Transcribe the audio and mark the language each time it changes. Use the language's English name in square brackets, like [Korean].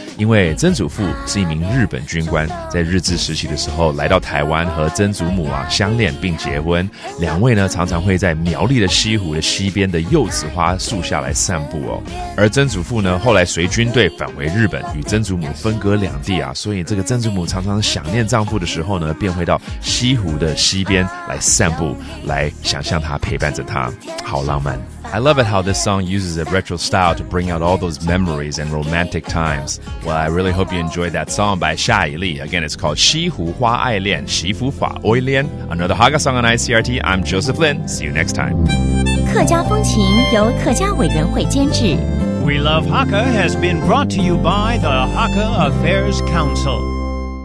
[Chinese] 因为曾祖父是一名日本军官，在日治时期的时候来到台湾和曾祖母相恋并结婚，两位呢常常会在苗栗的西湖的溪边的柚子花树下来散步哦。而曾祖父呢后来随军队返回日本，与曾祖母分隔两地啊，所以这个曾祖母常常想念丈夫的时候呢，便会到西湖的溪边来散步，来想象他陪伴着他，好浪漫。 [English] I love it how this song uses a retro style to bring out all those memories and romantic times. Well, I really hope you enjoyed that song by 夏以儷. Again, it's called 西湖花爱恋,媳妇发爱恋. Another Hakka song on ICRT, I'm Joseph Lin. See you next time. [Chinese] 客家风情由客家委员会监制. [English] We Love Hakka has been brought to you by the Hakka Affairs Council.